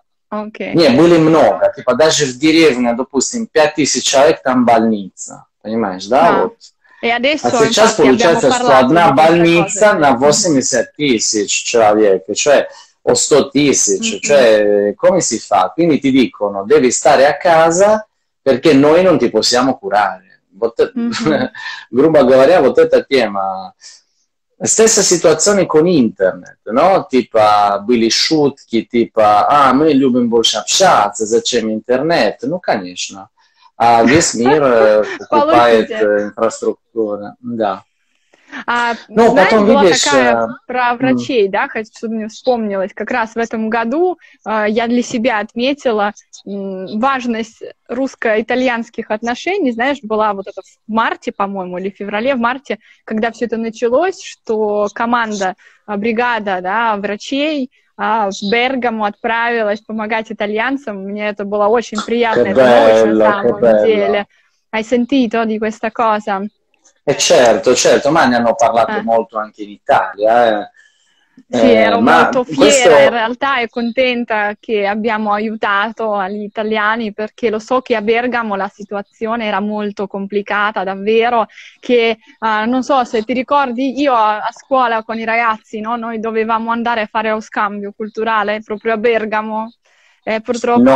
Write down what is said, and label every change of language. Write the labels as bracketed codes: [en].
[en] Okay. [ru] Не, были много. Типа даже в деревне, допустим, 5 тысяч человек, там больница. Понимаешь, да? Вот. [it] E adesso, [ru] а сейчас [it] infatti, [ru] получается, что одна больница на 80 тысяч человек, cioè, о 100 тысяч, [it] cioè, come si fa? Quindi ti dicono, devi stare a casa perché noi non ti possiamo curare. [ru] Вот, грубо говоря, вот эта тема. [it] Стесса ситуация con internet, no? [ru] Типа, были шутки, типа, а, мы любим больше общаться, зачем интернет? Ну, конечно. А весь мир покупает инфраструктуру, да. А, ну, знаешь, потом была видишь, такая про врачей, да, хоть что-то мне вспомнилось. Как раз в этом году я для себя отметила важность русско-итальянских отношений, знаешь, была вот это в марте, по-моему, или в феврале, в марте, когда все это началось, что команда, бригада, да, врачей, в Бергамо отправилась помогать итальянцам. Мне это было очень приятно. [it] Che bello, [ru] на самом che деле. [it] Hai sentito di questa cosa? Certo, certo. Ma ne hanno parlato molto anche in Italia. Sì, ero molto fiera questo... in realtà e contenta che abbiamo aiutato gli italiani, perché lo so che a Bergamo la situazione era molto complicata, davvero, che non so se ti ricordi, io a scuola con i ragazzi, no, noi dovevamo andare a fare lo scambio culturale proprio a Bergamo, purtroppo...